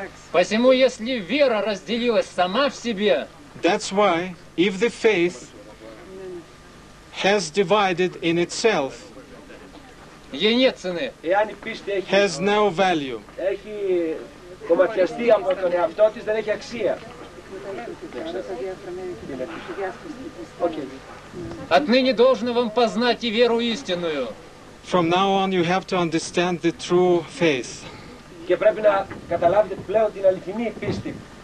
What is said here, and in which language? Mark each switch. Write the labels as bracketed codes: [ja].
[ru] Посему, если вера разделилась сама в себе, [en] that's why, if the faith has divided in itself, [ru] ей нет цены. [en] Has no value. [el] Έχει κομματιαστεί από τον εαυτό της, δεν έχει αξία. [ru] Отныне должно вам познать и веру истинную. [en] From now on you have to understand the true faith. [el] Και πρέπει να καταλάβετε πλέον την αληθινή πίστη.